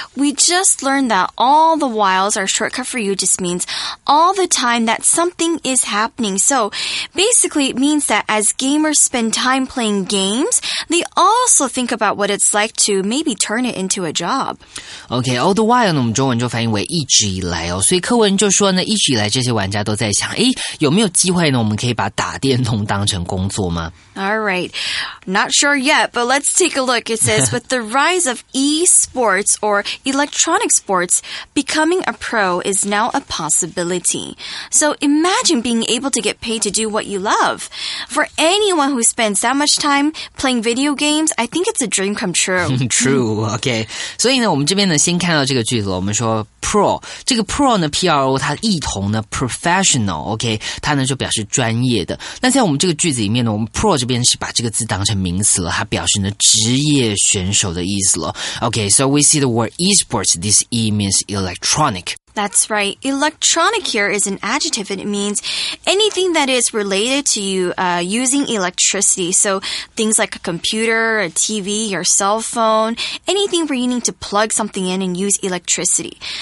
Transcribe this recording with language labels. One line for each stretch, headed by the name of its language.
English: We just learned that all the whiles, our shortcut for you just means all the time that something is happening. So basically it means that as gamers spend time playing games, they also think about what it's like to maybe turn it into a job.
Chinese: Okay, all the while 呢我们中文就翻译为一直以来哦。所以课文就说呢一直以来这些玩家都在想诶有没有机会呢我们可以把打电动当成工作吗
English: Alright, not sure yet, but let's take a look. It says, with the rise of e-sports or electronic sports, becoming a pro is now a possibility. So imagine being able to get paid to do what you love. For anyone who spends that much time playing video games, I think it's a dream come true. True, okay.
Chinese: 所以呢我们这边呢先看到这个句子我们说 pro, 这个 pro 呢 P-R-O 它异同呢 professional, okay, 它呢就表示专业的。那在我们这个句子里面呢我们 pro 这边是把这个字当成名词了它表示呢职业选手的意思了。
English: Okay, so we see the word e-sports, this e means electronic. That's right. Electronic here is an adjective and it means anything that is related to you, using electricity. So things like a computer, a TV, your cell phone, anything where you need to plug something in and use electricity.